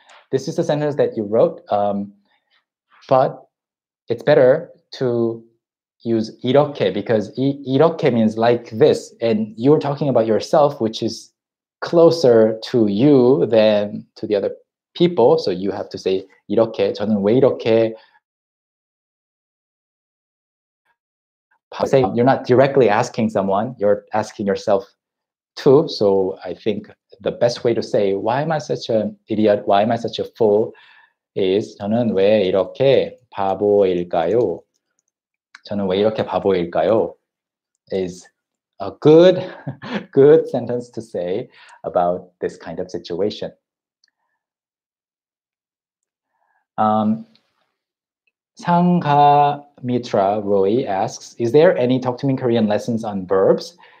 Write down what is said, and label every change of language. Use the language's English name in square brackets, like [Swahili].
[English] This is the sentence that you wrote, but it's better to use 이렇게 because 이렇게 means like this, and you're talking about yourself, which is closer to you than to the other people, so you have to say 이렇게, [Korean] 저는 왜 이렇게? [English] Say, you're not directly asking someone, you're asking yourself too. So I think the best way to say, why am I such an idiot? Why am I such a fool? Is [Korean] 저는 왜 이렇게 바보일까요? 저는 왜 이렇게 바보일까요? [English] Is a good sentence to say about this kind of situation. Sangha Mitra Roy asks, is there any Talk to Me in Korean lessons on verbs?